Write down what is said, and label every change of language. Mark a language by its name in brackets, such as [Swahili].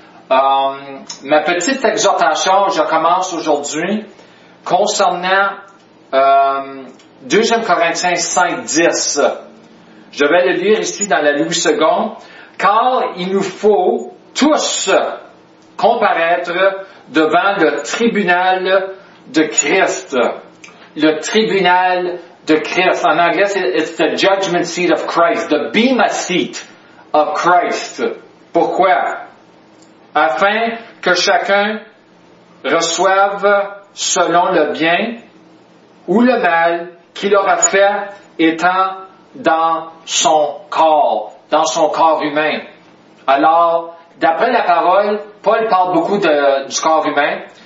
[French] Ma petite exhortation, je commence aujourd'hui, concernant 2 Corinthiens 5, 10. Je vais le lire ici dans la Louis II. « Car il nous faut tous comparaître devant le tribunal de Christ. » Le tribunal de Christ. En anglais, [English] it's the judgment seat of Christ, the bema seat of Christ. [French] Pourquoi? Afin que chacun reçoive selon le bien ou le mal qu'il aura fait étant dans son corps humain. Alors, d'après la parole, Paul parle beaucoup du corps humain.